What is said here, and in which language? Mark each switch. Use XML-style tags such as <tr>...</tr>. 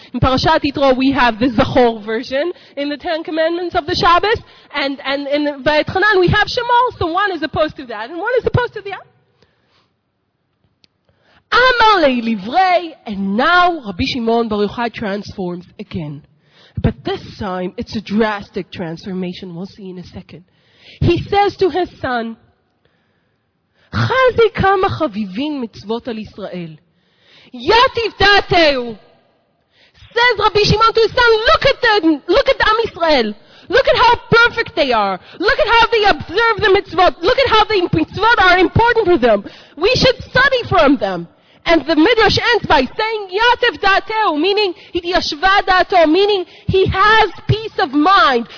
<en>In Parashat Yitro, we have the Zachor version in the Ten Commandments of the Shabbos, and in Vayetchanan, we have Shemal, so one is opposed to that, and one is opposed to the other. Amar le'livrei, and now Rabbi Shimon Bar Yochai transforms again. But this time, it's a drastic transformation, we'll see in a second. He says to his son,</en> <he>חזי כמה חביבים מצוות על ישראל. יתיב דעתהו.</he> <en>Says Rabbi Shimon to his son, look at Am Israel. Look at how perfect they are. Look at how they observe the mitzvot. Look at how the mitzvot are important for them. We should study from them. And the Midrash ends by saying, Yatev Da'ateu, meaning, Hityashva Da'ateu, meaning, he has peace of mind.</en>